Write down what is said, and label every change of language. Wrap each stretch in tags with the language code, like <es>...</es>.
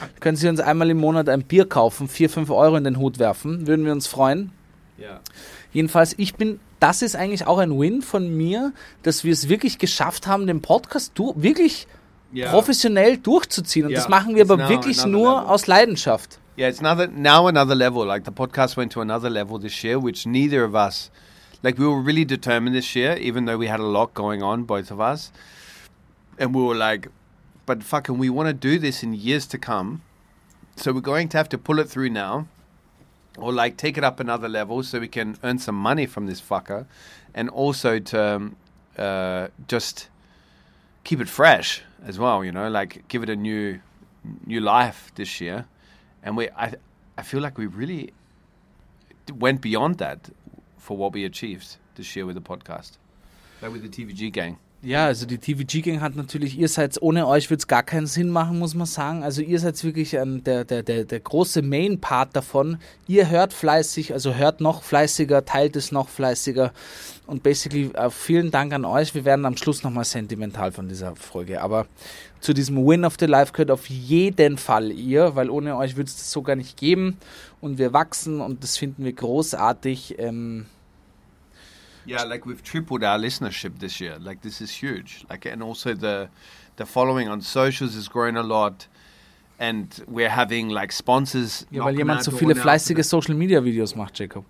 <de>Können Sie uns einmal im Monat ein Bier kaufen, 4-5 Euro in den Hut werfen. Würden wir uns freuen. Ja. Jedenfalls, das ist eigentlich auch ein Win von mir, dass wir es wirklich geschafft haben, den Podcast wirklich professionell durchzuziehen. Und das machen wir aber wirklich nur aus Leidenschaft.</de> <en>Yeah, it's now another level. Like, the podcast went to another level this year, which neither of us, like, we were really determined this year, even though we had a lot going on, both of us. And we were like, but fucking, we want to do this in years to come. So we're going to have to pull it through now. Or, like, take it up another level so we can earn some money from this fucker. And also to just keep it fresh as well, you know. Like, give it a new life this year. And I feel like we really went beyond that for what we achieved this year with the podcast. Like, with the TVG Gang.</en> <de>Ja, also die TVG Gang hat natürlich, ihr seid, ohne euch würde es gar keinen Sinn machen, muss man sagen. Also ihr seid wirklich der große Main-Part davon. Ihr hört fleißig, also hört noch fleißiger, teilt es noch fleißiger. Und basically vielen Dank an euch. Wir werden am Schluss nochmal sentimental von dieser Folge. Aber zu diesem Win of the Life gehört auf jeden Fall ihr, weil ohne euch würde es das so gar nicht geben. Und wir wachsen und das finden wir großartig.</de> <en>Yeah, like, we've tripled our listenership this year. Like, this is huge. Like, and also the following on socials has grown a lot. And we're having, like, sponsors.</en> <de>Ja, weil jemand so viele fleißige Social Media Videos macht, Jacob.</de>